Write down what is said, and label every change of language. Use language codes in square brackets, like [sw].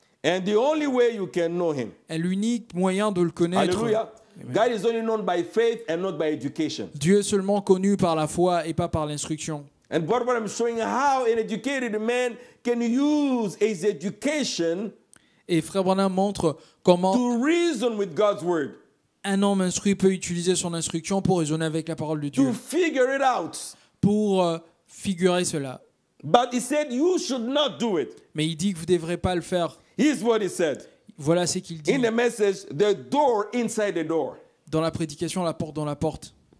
[en] And the only way you can know him. [fr] Et l'unique moyen de le connaître. Alléluia. Amen. [en] God is only known by faith and not by education. [fr] Dieu est seulement connu par la foi et pas par l'instruction. [en] And what I'm showing how an educated man can use his education. [fr] Et Frère Branham montre comment [en] to reason with God's word. [fr] Un homme instruit peut utiliser son instruction pour raisonner avec la parole de Dieu. [en] To figure it out. [fr] Pour figurer cela. [en] But he said you should not do it. [fr] Mais il dit que vous ne devrez pas le faire. [en] Here's what he said. [fr] Voilà ce qu'il dit. [en] In the message, the door inside the door. [fr] Dans la prédication, la porte dans la porte.